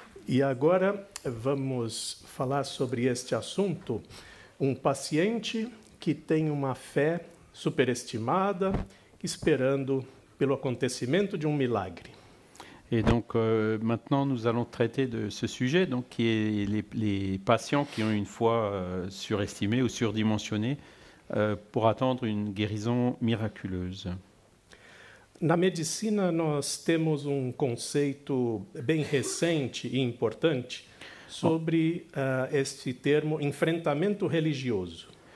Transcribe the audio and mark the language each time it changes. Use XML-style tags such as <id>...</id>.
<pt>E agora vamos falar sobre este assunto. Um paciente que tem uma fé superestimada, esperando pelo acontecimento de um milagre.</pt> <fr>Et donc maintenant nous allons traiter de ce sujet, donc qui est les patients qui ont une foi surestimée ou surdimensionnée pour attendre une guérison miraculeuse.</fr> <pt>Na medicina, nós temos conceito bem recente e importante sobre este termo enfrentamento religioso.</pt>